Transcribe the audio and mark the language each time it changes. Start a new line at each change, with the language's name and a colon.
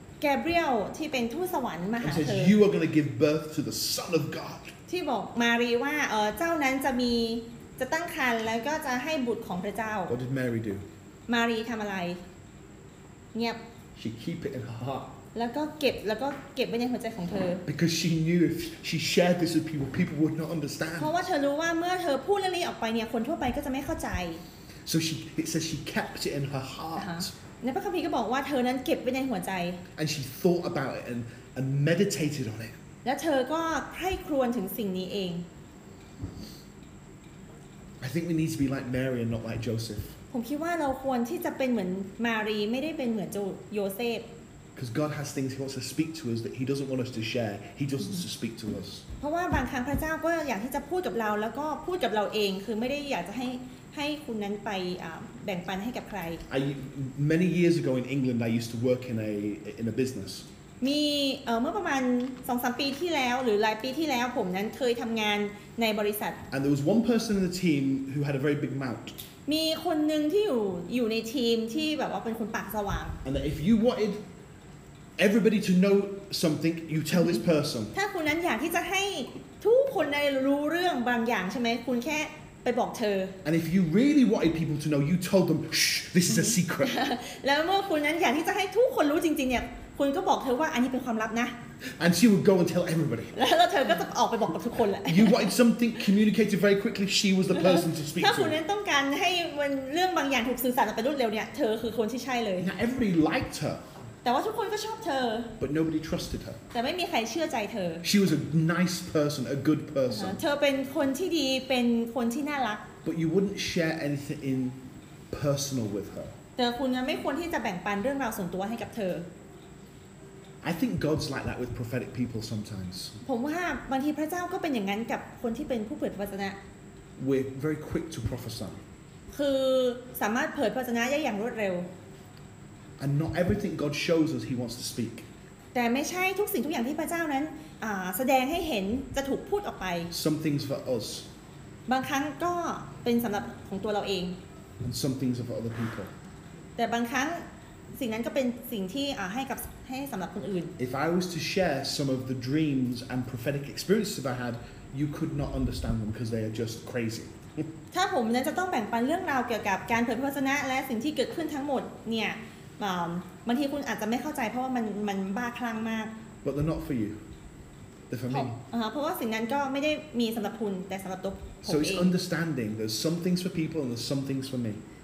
Thai: Gabriel ที่เป็นทูตสวรรค์มาหาเธอ
English: And says you are going to give birth to the Son of God
Thai: ที่บอกมารีว่าเจ้านั้นจะตั้งครรภ์แล้วก็จะให้บุตรของพระเจ้า
English: What did Mary do?
Thai: มารีทำอะไรเงียบ
English: She keep it in her heart
Thai: แล้วก็เก็บไว้ในหัวใจของเธอ
English: Because she knew if she shared this with people would not understand
Thai: เพราะว่าเธอรู้ว่าเมื่อเธอพูดเรื่องนี้ออกไปเนี่ยคนทั่วไปก็จะไม่เข้าใจ
English: So she it says she kept it in her heart
Thai: ในพระคัมภีร์ก็บอกว่าเธอนั้นเก็บไว้ในหัวใจ
English: And she thought about it and meditated on it
Thai: และเธอก็ใคร่ครวญถึงสิ่งนี้เอง
English: I think we need to be like Mary and not like Joseph.
Thai: ผมคิดว่าเราควรที่จะเป็นเหมือนมารีไม่ได้เป็นเหมือนโยเซฟ
English: Because God has things He wants to speak to us that He doesn't want us to share. He just wants to speak to us.
Thai: เพราะว่าบางครั้งพระเจ้าก็อยากที่จะพูดกับเราแล้วก็พูดกับเราเองคือไม่ได้อยากจะให้คุณนั้นไปแบ่งปันให้กับใคร
English: Many years ago in England, I used to work in a business.
Thai: มีเมื่อประมาณ 2-3 ปีที่แล้วหรือหลายปีที่แล้วผมนั้นเคยทำงานในบริษัท
English: And there was one person in the team who had a very big mouth
Thai: มีคนหนึ่งที่อยู่ในทีมที่แบบว่าเป็นคนปากสว่าง
English: And if you wanted everybody to know something you tell this person
Thai: ถ้าคุณนั้นอยากที่จะให้ทุกคนได้รู้เรื่องบางอย่างใช่ไหมคุณแค่ไปบอกเธอ
English: And if you really wanted people to know you told them shh this is a secret
Thai: แล้วเมื่อคุณนั้นอยากที่จะให้ทุกคนรู้จริงๆเนี่ยคุณก็บอกเธอว่าอันนี้เป็นความลับนะ
English: And she would go and tell everybody
Thai: แล้วเธอก็จะออกไปบอกกับทุกคนแหละ
English: You wanted something communicated very quickly she was the person to speak to
Thai: ถ้าคุณนั้นต้องการให้เรื่องบางอย่างถูกสื่อสารไปรวดเร็วเนี่ยเธอคือคนที่ใช่เลย
English: Now everybody liked her
Thai: แต่ว่าทุกคนก็ชอบเธอ
English: But nobody trusted her
Thai: แต่ไม่มีใครเชื่อใจเธอ
English: She was a nice person a good person
Thai: เธอเป็นคนที่ดีเป็นคนที่น่ารัก
English: But you wouldn't share anything in personal with her
Thai: แต่คุณนั้นไม่ควรที่จะแบ่งปันเรื่องราวส่วนตัวให้กับเธอ
English: I think God's like that with prophetic people sometimes.
Thai: ผมว่าบางทีพระเจ้าก็เป็นอย่างนั้นกับคนที่เป็นผู้เผยพระวจนะ
English: We're very quick to prophesy.
Thai: คือสามารถเผยพระวจนะได้อย่างรวดเร็ว
English: And not everything God shows us He wants to speak.
Thai: แต่ไม่ใช่ทุกสิ่งทุกอย่างที่พระเจ้านั้นแสดงให้เห็นจะถูกพูดออกไป
English: Some things for us.
Thai: บางครั้งก็เป็นสำหรับของตัวเราเอง
English: And some things are for other people.
Thai: แต่บางครั้งสิ่งนั้นก็เป็นสิ่งที่ให้สำหรับคนอื่น
English: If I was to share some of the dreams and prophetic experiences that I had you could not understand them because they are just crazy
Thai: ถ้าผมนั้นจะต้องแบ่งปันเรื่องราวเกี่ยวกับการเผยพระวจนะและสิ่งที่เกิดขึ้นทั้งหมดเนี่ยบางทีคุณอาจจะไม่เข้าใจเพราะว่ามันบ้าคลั่งมาก
English: But they're not for you They're for me
Thai: เพราะว่าสิ่งนั้นก็ไม่ได้มีสำหรับคุณแต่สำหรับตัวผมเอง
English: So it's understanding there's some things for people and there's some things for me